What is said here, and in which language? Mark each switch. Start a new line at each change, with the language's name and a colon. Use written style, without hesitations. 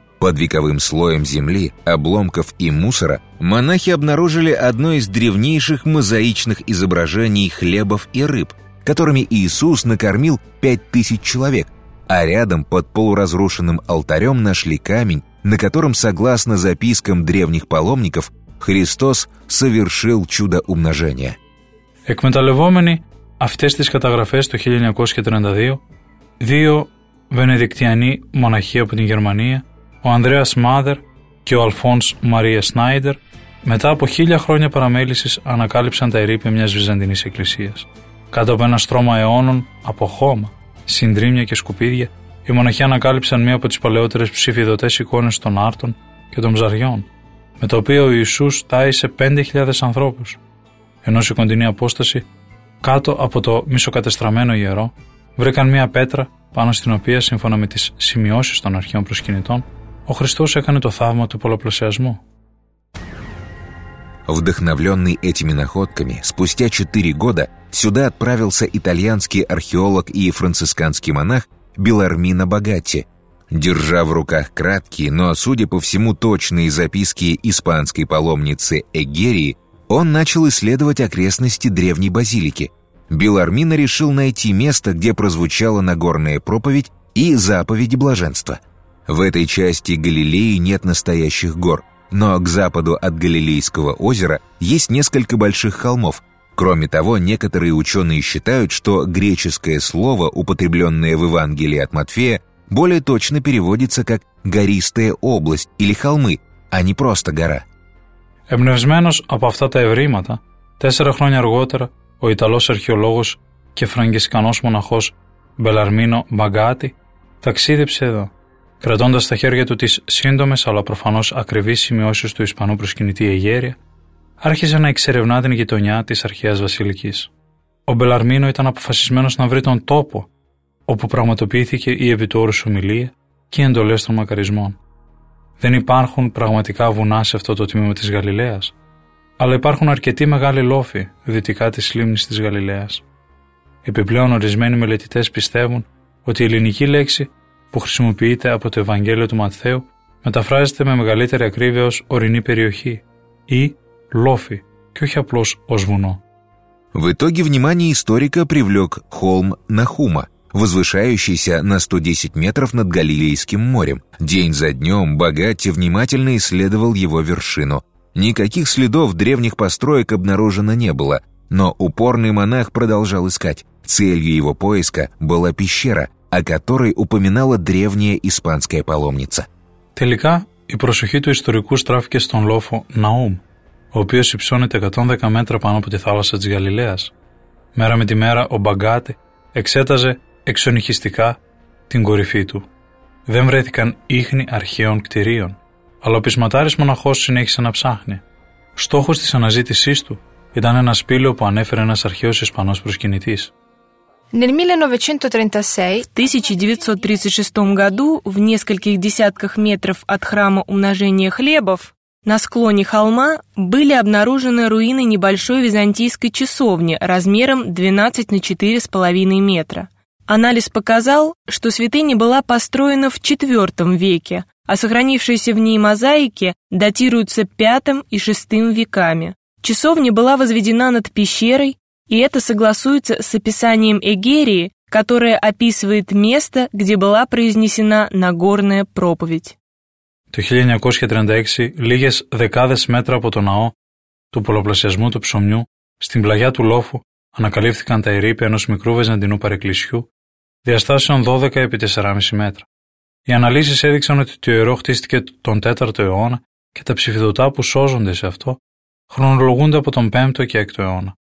Russian: Под вековым слоем земли, обломков и мусора монахи обнаружили одно из древнейших мозаичных изображений хлебов и рыб, которыми Иисус накормил 5000 человек. А рядом под полуразрушенным алтарем нашли камень, на котором, согласно запискам древних паломников, Христос совершил чудо умножения.
Greek: Εκμεταλλευόμενοι αυτές τις καταγραφές το 1932, δύο βενεδικτιανοί μοναχοί από την Γερμανία, ο Ανδρέας Μάδερ και ο Αλφόνς Μαρία Σνάιντερ, μετά από 1000 χρόνια παραμέλησης ανακάλυψαν τα ερείπια μιας βυζαντινής εκκλησίας. Κάτω από ένα στρώμα αιώνων από χώμα, συντρίμια και σκουπίδια, οι μοναχοί ανακάλυψαν μία από τις παλαιότερες ψηφιδωτές εικόνες των Άρτων και των Ψαριών, με το οποίο ο Ιησούς τάισε 5.000 ανθρώπους, ενώ σε κοντινή απόσταση, κάτω από το μισοκατεστραμμένο ιερό, βρήκαν μία πέτρα πάνω στην οποία, σύμφωνα με τις σημειώσεις των αρχαίων προσκυνητών, ο Χριστός έκανε το θαύμα του πολλαπλασιασμού.
Russian: Вдохновленный этими находками, спустя 4 года сюда отправился итальянский археолог и францисканский монах Белармино Богатти. Держа в руках краткие, но, судя по всему, точные записки испанской паломницы Эгерии, он начал исследовать окрестности древней базилики. Белармино решил найти место, где прозвучала Нагорная проповедь и заповеди блаженства. В этой части Галилеи нет настоящих гор. Но к западу от Галилейского озера есть несколько больших холмов, Кроме того, некоторые ученые считают, что греческое слово, употребленное в Евангелии от Матфея, более точно переводится как «гористая область» или «холмы», а не просто «гора».
Greek: Εμπνευσμένος από αυτά τα ευρήματα, 4 χρόνια αργότερα, ο Ιταλός αρχαιολόγος και φραγκισκανός μοναχός Μπελαρμίνο Μπαγκάτι ταξίδεψε εδώ, κρατώντας στα χέρια του τις σύντομες αλλά προφανώς ακριβείς σημειώσεις του Ισπανού προσκυνητή Εγέρια, άρχισε να εξερευνά την γειτονιά της αρχαίας βασιλικής. Ο Μπελαρμίνο ήταν αποφασισμένος να βρει τον τόπο όπου πραγματοποιήθηκε η επί του όρους ομιλία και οι εντολές των μακαρισμών. Δεν υπάρχουν πραγματικά βουνά σε αυτό το τμήμα της Γαλιλαίας, αλλά υπάρχουν αρκετοί μεγάλοι λόφοι δυτικά της λίμνης της Γαλιλαίας. Επιπλέον, ορισμένοι μελετητές πιστεύουν ότι η ελληνική λέξη που χρησιμοποιείται από το Ευαγγέλιο του Ματθαίου μεταφράζεται με μεγαλύτερη ακρίβεια ως ορεινή περιοχή ή λόφοι και όχι απλώς ως βουνό.
Russian: В итоге внимание историка привлек холм Нахума, возвышающийся на 110 метров над Галилейским морем. День за днем Богатти внимательно исследовал его вершину. Никаких следов древних построек обнаружено не было, но упорный монах продолжал искать. Целью его поиска была пещера, о которой упоминала древняя испанская паломница.
Greek: Τελικά, η προσοχή του ιστορικού στράφηκε στον λόφο Ναούμ, ο οποίος υψώνεται 110 μέτρα πάνω από τη θάλασσα της Γαλιλαίας. Μέρα με τη μέρα, ο Μπαγκάτι εξέταζε εξονυχιστικά την κορυφή του. Δεν βρέθηκαν ίχνη αρχαίων κτηρίων, αλλά ο πεισματάρης μοναχός συνέχισε να ψάχνει. Στόχος της αναζήτησής του ήταν ένα σπήλαιο που ανέφερε ένας αρχαίος Ισπανός προσκυνητής.
Italian: Nel 1936,
Russian: в 1936 году, в нескольких десятках метров от храма Умножения Хлебов, на склоне холма были обнаружены руины небольшой византийской часовни размером 12 на 4,5 метра. Анализ показал, что святыня была построена в IV веке, а сохранившиеся в ней мозаики датируются V и VI веками. Часовня была возведена над пещерой, и это согласуется с описанием Эгерии, которое описывает место, где была произнесена Нагорная проповедь.
Greek: Το 1936, λίγες δεκάδες μέτρα από το ναό του πολλαπλασιασμού του ψωμιού, στην πλαγιά του λόφου, ανακαλύφθηκαν τα ερείπια ενός μικρού βυζαντινού παρεκκλησιού, διαστάσεων 12 επί 4,5 μέτρα. Οι αναλύσεις έδειξαν ότι το ιερό χτίστηκε τον 4ο αιώνα και τα ψηφιδωτά που σώζονται σε αυτό χρονολογούνται από τον 5ο και 6ο αιώνα.